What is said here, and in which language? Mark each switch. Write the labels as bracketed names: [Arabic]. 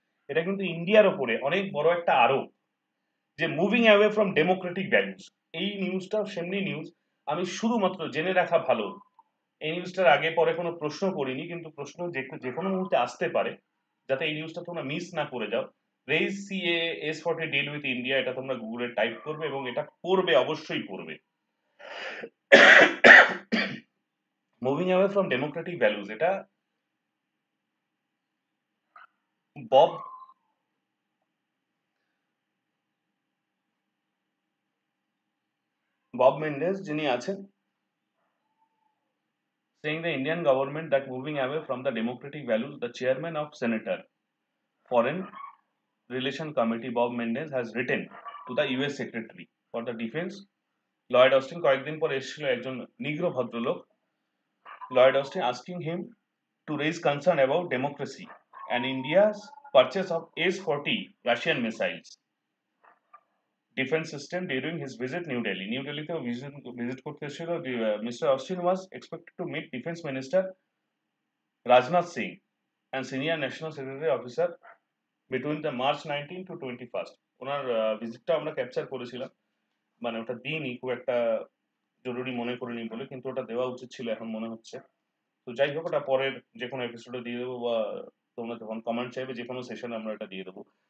[Bangla] এটা কিন্তু ইন্ডিয়ার ওপরে অনেক বড় একটা আরোপ যে [English] Moving away from democratic values. [Bangla] এই নিউজটাও সেমনি নিউজ, আমি শুধুমাত্র জেনে রাখা ভালো, এই নিউজটার আগে পরে কোনো প্রশ্ন করিনি, কিন্তু প্রশ্ন যে কোনো মুহূর্তে আসতে পারে, যাতে এই নিউজটা তোমরা মিস না করে যাও। [English] রেইজ সিএএ S-40 deal with India, [Bangla] এটা তোমরা গুগলে টাইপ করবে এবং এটা পড়বে, অবশ্যই পড়বে, [English] moving away from democratic values, [Bangla] এটা বব [English] Bob Menendez [Bangla] যিনি আছেন, [English] saying the Indian government that moving away from the democratic values, the chairman of Senator Foreign Relation Committee Bob Menendez has written to the US Secretary for the Defense Lloyd Austin, [Bangla] কয়েকদিন পর এসেছিল একজন Negro ভদ্রলোক [English] Lloyd Austin, asking him to raise concern about democracy and India's purchase of S-40 Russian missiles defense system during his visit New Delhi. [Bangla] New Delhi তে visit করতে এসেছিল, [English] Mr. Austin was expected to meet Defense Minister Rajnath Singh and Senior National Security Officer between the March 19 to 21, [Bangla] ওনার ভিজিটটা আমরা capture করেছিলাম, মানে ওটা দিইনি খুব একটা জরুরি মনে করিনি বলে, কিন্তু ওটা দেওয়া উচিত ছিল এখন মনে হচ্ছে। তো যাই হোক, ওটা পরের যে কোনো এপিসোডে দিয়ে দেবো, বা তোমরা যখন কমেন্ট চাইবে যে কোনো সেশনে আমরা এটা দিয়ে দেবো।